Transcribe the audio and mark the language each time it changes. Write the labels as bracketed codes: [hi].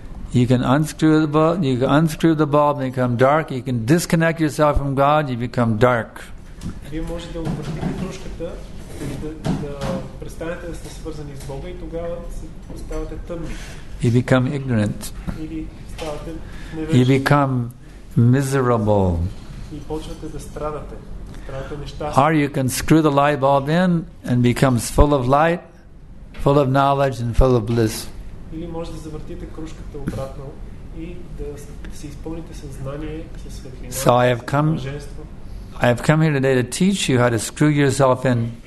[en] You can unscrew the bulb, you can unscrew the bulb and become dark. You can disconnect yourself from God, you become dark. [bg] Вие може да обърнете кружката и да престанете да сте свързани с Бога и тогава ставате тъмни. [en] You become ignorant. [bg] Или ставате невежи. [en] You become miserable. [bg] И почвате да страдате. Страдате нещастни. [en] Or you can screw the light bulb in and becomes full of light, full of knowledge and full of bliss. [bg] Или може да завъртите кружката обратно и да се изпълните със знание, със светлина. [en] So I have come. I have come here today to teach you how to screw yourself in.